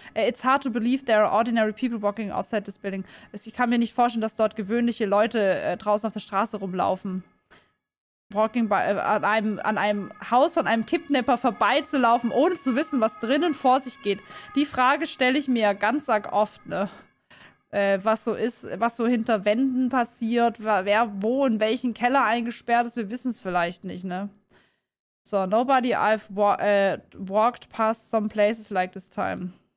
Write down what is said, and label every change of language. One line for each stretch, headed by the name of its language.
English: It's hard to believe there are ordinary people walking outside this building.
German: Ich kann mir nicht vorstellen, dass dort gewöhnliche Leute draußen auf der Straße rumlaufen. An einem Haus von einem Kidnapper vorbeizulaufen, ohne zu wissen, was drinnen vor sich geht. Die Frage stelle ich mir ganz arg oft, ne? Was so ist, was so hinter Wänden passiert, wer wo in welchen Keller eingesperrt ist, wir wissen es vielleicht nicht, ne?
English: So, nobody I've walked past some places like this time.